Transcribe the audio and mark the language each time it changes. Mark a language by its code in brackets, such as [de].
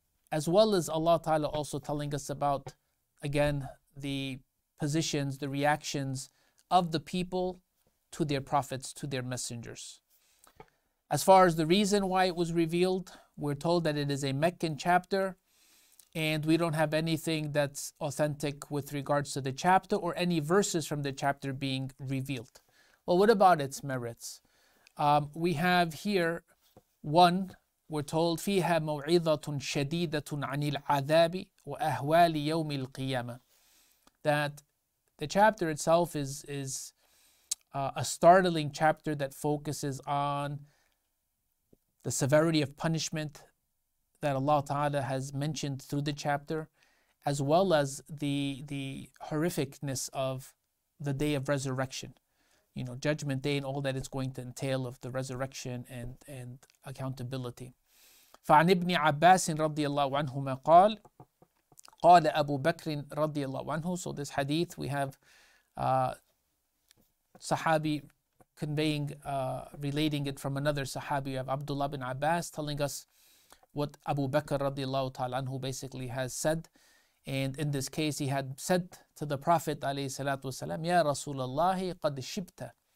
[en] As well as Allah Ta'ala also telling us about, again, the positions, the reactions of the people to their prophets, to their messengers. As far as the reason why it was revealed, we're told that it is a Meccan chapter, and we don't have anything that's authentic with regards to the chapter or any verses from the chapter being revealed. Well, what about its merits? We have here one, we're told, [ar] فيها موعظة شديدة عن العذاب وأهوال يوم القيامة. [en] That the chapter itself is a startling chapter that focuses on the severity of punishment that Allah Ta'ala has mentioned through the chapter, as well as the horrificness of the day of resurrection. You know, judgment day and all that it's going to entail of the resurrection and accountability. [ar] فعن ابن عباس رضي الله عنهما قال قال أبو بكر رضي الله عنه. [en] So this hadith, we have Sahabi conveying, relating it from another Sahabi. We have Abdullah bin Abbas telling us what Abu Bakr رضي الله تعالى عنه basically has said. And in this case, he had said to the Prophet عليه الصلاة والسلام, [ar] يَا رَسُولَ اللَّهِ قَدْ شِبْتَ.